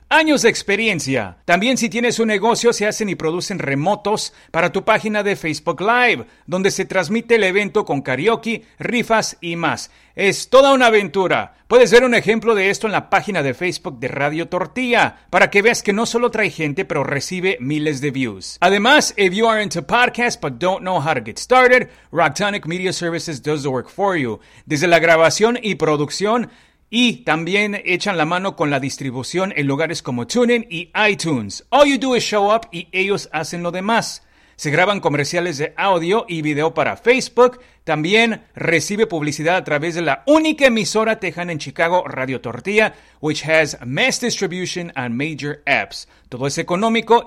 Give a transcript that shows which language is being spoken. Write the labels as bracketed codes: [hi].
[es] Años de experiencia. También si tienes un negocio, se hacen y producen remotos para tu página de Facebook Live, donde se transmite el evento con karaoke, rifas y más. Es toda una aventura. Puedes ver un ejemplo de esto en la página de Facebook de Radio Tortilla, para que veas que no solo trae gente, pero recibe miles de views. Además, [en] if you are into podcasts but don't know how to get started, Rocktonic Media Services does the work for you. [es] Desde la grabación y producción, y también echan la mano con la distribución en lugares como TuneIn y iTunes. [en] All you do is show up [es] y ellos hacen lo demás. Se graban comerciales de audio y video para Facebook. También recibe publicidad a través de la única emisora tejana en Chicago, Radio Tortilla, [en] which has mass distribution and major apps. [es] Todo es económico.